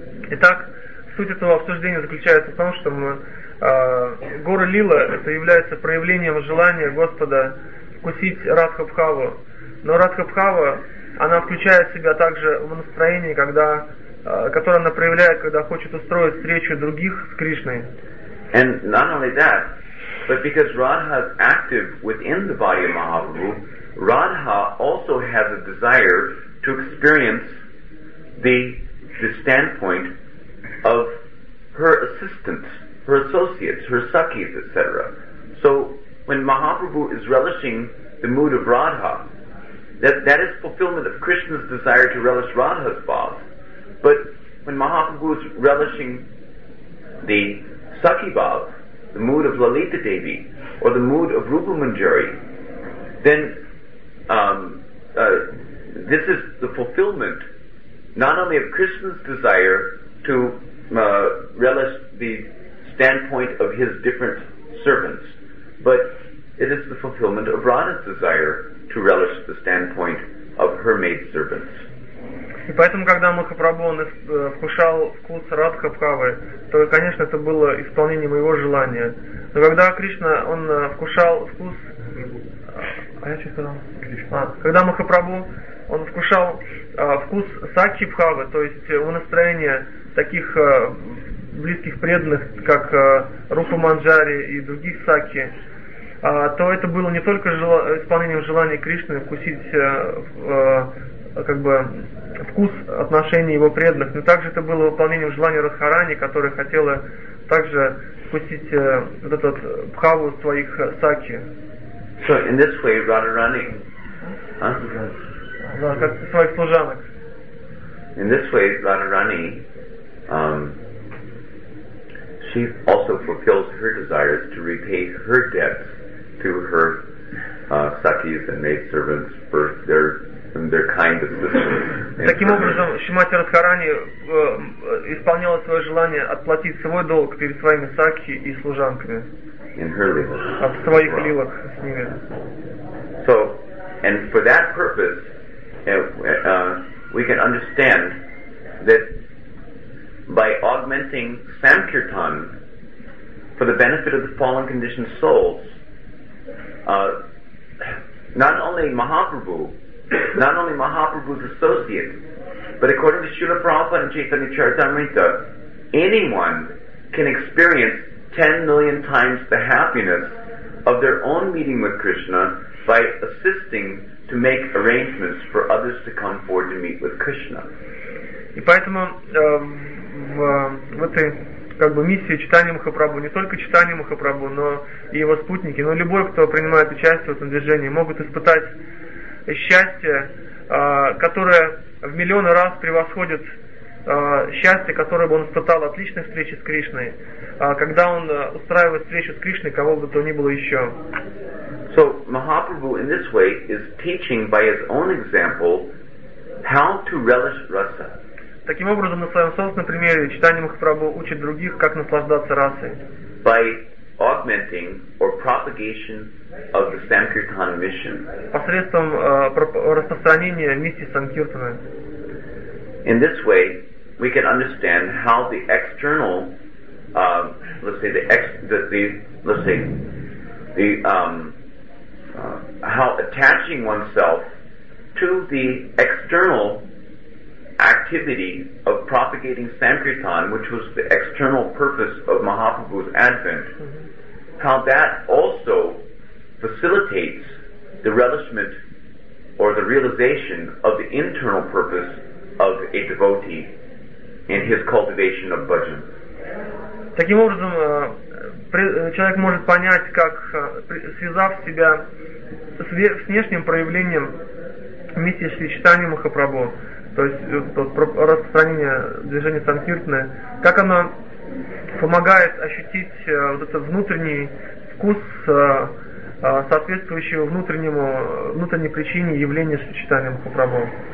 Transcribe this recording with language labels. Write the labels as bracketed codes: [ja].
[ru] Итак, суть этого обсуждения заключается в том, что Гора-лила это является проявлением желания Господа вкусить Радха-бхаву. Но Радха-бхава, она включает в себя также в настроение, которое она проявляет, когда хочет устроить встречу других с Кришной. [en] And not only that, but because Radha is active within the body of Mahaprabhu, Radha also has a desire to experience the standpoint of her assistants, her associates, her sakis, etc. So when Mahaprabhu is relishing the mood of Radha, that is fulfillment of Krishna's desire to relish Radha's bhava. But when Mahaprabhu is relishing the saki bhava, the mood of Lalita Devi, or the mood of Rupa Manjari, then this is the fulfillment not only of Krishna's desire to relish the standpoint of his different servants, but it is the fulfillment of Radha's desire to relish the standpoint of her maid servants. [ru] И поэтому, когда Махапрабху вкушал вкус Радха-бхавы, то, конечно, это было исполнение моего желания. Но когда Кришна, он вкушал вкус... А я что сказал? Когда Махапрабху, он вкушал вкус Сакхи-бхавы, то есть у настроения таких близких преданных, как Рупа Манджари и других Сакхи, то это было не только исполнением желания Кришны вкусить как бы вкус отношений его преданных, но также это было выполнением желания Радхарани, которая хотела также вкусить вот этот бхаву своих сакхи. [en] So in this way, Radharani, [ru] да, как своих служанок. [en] In this way, Radharani, she also fulfills her desires to repay her debts to her сакхис and maidservants for their kind assistance. [ru] Таким образом, Шримати Радхарани исполняла свое желание отплатить свой долг перед своими сакхи и служанками. [en] In her lila. [ru] От своих лилах с ними. [en] So, and for that purpose, we can understand that by augmenting Sankirtan for the benefit of the fallen conditioned souls, not only Mahaprabhu's associates, but according to Srila Prabhupada and Chaitanya Charitamrita, anyone can experience 10 million times the happiness of their own meeting with Krishna by assisting to make arrangements for others to come forward to meet with Krishna. [ru] И поэтому в этой как бы миссии читания Махапрабху, не только читания Махапрабху, но и его спутники, но любой, кто принимает участие в этом движении, могут испытать счастье, которое в миллионы раз превосходит счастье, которое бы он испытал от личной встречи с Кришной, когда он устраивает встречу с Кришной, кого бы то ни было еще. [en] So Mahaprabhu in this way is teaching by his own example how to relish rasa. [ru] Таким образом, на своем собственном примере читание Махапрабху учит других, как наслаждаться расой. [en] By augmenting or propagation of the Sankirtan mission. [ru] Посредством распространения миссии Санкиртана. [en] In this way, we can understand how the external, how attaching oneself to the external activity of propagating Sankirtan, which was the external purpose of Mahaprabhu's advent, how that also facilitates the relishment or the realization of the internal purpose of a devotee in his cultivation of bhajan. [ru] Таким образом, человек может понять, как, связав себя с внешним проявлением миссии Шри Чайтаньи Махапрабху, то есть распространение движения Санкиртаны, как оно помогает ощутить вот этот внутренний вкус, соответствующий внутренней причине явления Шри Чайтаньи Махапрабху.